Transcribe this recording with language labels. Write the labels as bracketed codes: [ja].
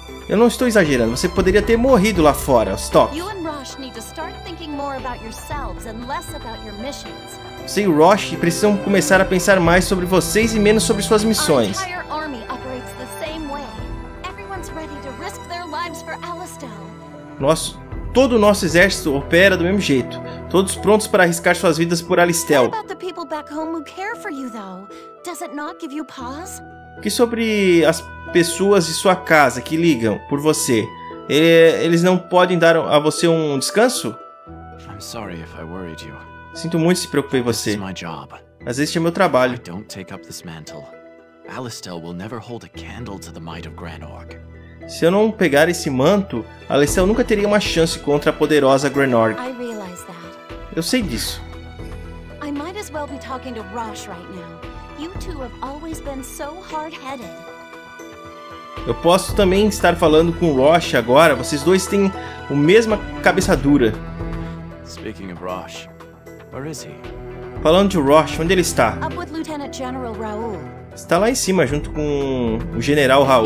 [pt] Eu não estou exagerando, você poderia ter morrido lá fora, Stock. [en] You and Rosh need to start thinking more about yourselves and less about your missions. [pt] Você e Rosh precisam começar a pensar mais sobre vocês e menos sobre suas missões. [en] Our entire army operates the same way. Everyone's ready to risk their lives for Alistel. [pt] Todo o nosso exército opera do mesmo jeito, todos prontos para arriscar suas vidas por Alistel. [en] What about the people back home who care for you though? Does it not give you pause? [pt] Que sobre as pessoas de sua casa que ligam por você? Eles não podem dar a você um descanso? [en] I'm sorry if I worried you. [pt] Sinto muito se preocupei você. [en] This is my job. [pt] Mas este é meu trabalho. [en] I don't take up this mantle. Alistel will never hold a candle to the might of Granorg. [pt] Se eu não pegar esse manto, Alistel nunca teria uma chance contra a poderosa Granorg. [en] I realize that. [pt] Eu sei disso. [en] I might as well be talking to Rosh right now. You two have always been so hard-headed. [pt] Eu posso também estar falando com o Rosh agora. Vocês dois têm a mesma cabeça dura. [en] Speaking of Rosh, where is he? [pt] Falando de Rosh, onde ele está? [en] Up with Lieutenant General Raul. [pt] Está lá em cima, junto com o General Raul.